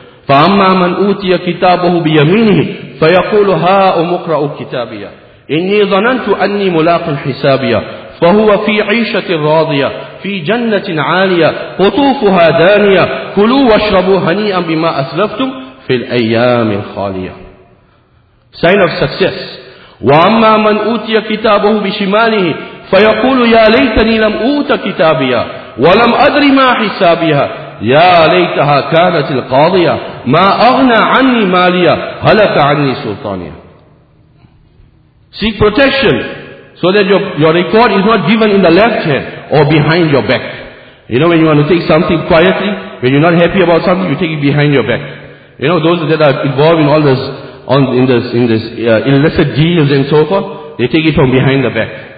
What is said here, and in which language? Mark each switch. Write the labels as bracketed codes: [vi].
[ar] Fa amma man utiya kitabahu bi yaminihi fa yaqulu ha umqra'u kitabiya inni dhanantu anni mulaqan hisabiya fa huwa fi 'ayshatin radiya في جنة عالية قطوفها دانية كلوا واشربوا هنيئا بما أسلفتم في الأيام الخالية. [en] Sign of success. [ar] وأما من أوتي كتابه بشماله فيقول يا ليتني لم أوت كتابيا ولم أدر ما حسابيا يا ليتها كانت القاضية ما أغنى عني ماليا هلك عني سلطانيا. [en] Seek protection so that your record is not given in the left hand or behind your back. You know, when you want to take something quietly, when you're not happy about something, you take it behind your back. You know, those that are involved in all this, in this illicit deals and so forth, they take it from behind the back.